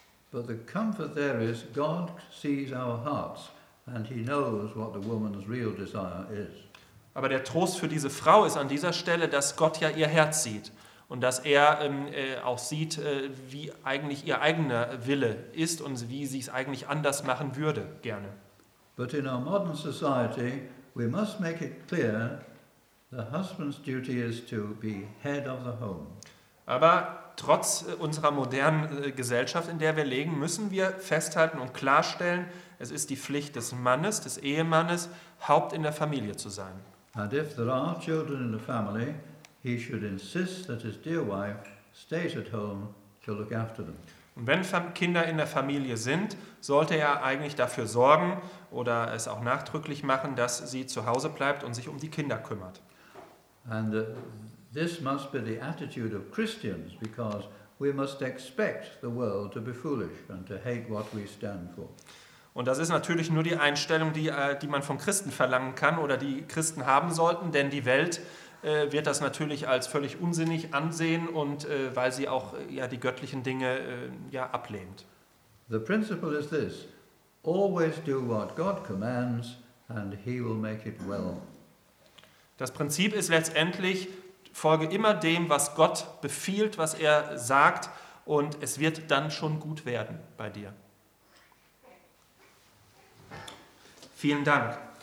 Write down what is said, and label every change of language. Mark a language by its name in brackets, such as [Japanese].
[English] But the comfort there is, God sees our hearts and he knows what the woman's real desire is. [German] Aber der Trost für diese Frau ist an dieser Stelle, dass Gott ja ihr Herz sieht und dass er auch sieht, wie eigentlich ihr eigener Wille ist und wie sie es eigentlich anders machen würde gerne. [English] But in our modern society, we must make it clear, the husband's duty is to be head of the home. [German] Aber trotz unserer modernen Gesellschaft, in der wir leben, müssen wir festhalten und klarstellen, es ist die Pflicht des Mannes, des Ehemannes, Haupt in der Familie zu sein. [English] And if there are children in the family, he should insist that his dear wife stays at home to look after them. [German] Und wenn Kinder in der Familie sind, sollte er eigentlich dafür sorgen oder es auch nachdrücklich machen, dass sie zu Hause bleibt und sich um die Kinder kümmert. [English] And this must be the attitude of Christians, because we must expect the world to be foolish and to hate what we stand for. [German] Und das ist natürlich nur die Einstellung, die man von Christen verlangen kann oder die Christen haben sollten, denn die Welt wird das natürlich als völlig unsinnig ansehen und weil sie auch ja die göttlichen Dinge ja ablehnt. [English] The principle is this: always do what God commands and he will make it well. [German] Das Prinzip ist letztendlich: folge immer dem, was Gott befiehlt, was er sagt, und es wird dann schon gut werden bei dir. Vielen Dank.